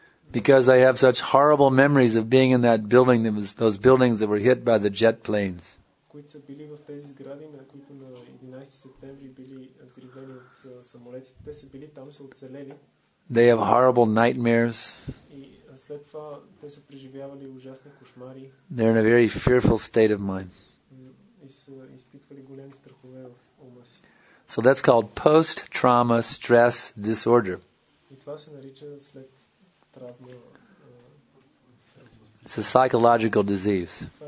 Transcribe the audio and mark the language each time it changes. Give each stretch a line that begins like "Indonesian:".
English: Because they have such horrible memories of being in that building, those buildings that were hit by the jet planes.
Bulgarian: Които са били в тези сгради, на които на 11 септември били взривени от самолетите. Те са били там, са оцелели.
English: They have horrible nightmares.
Bulgarian: И след това те са преживявали ужасни кошмари.
English: They're in a very fearful state of mind.
Bulgarian: И са изпитвали големи страхове
English: So that's called post-trauma stress disorder. It's a psychological disease.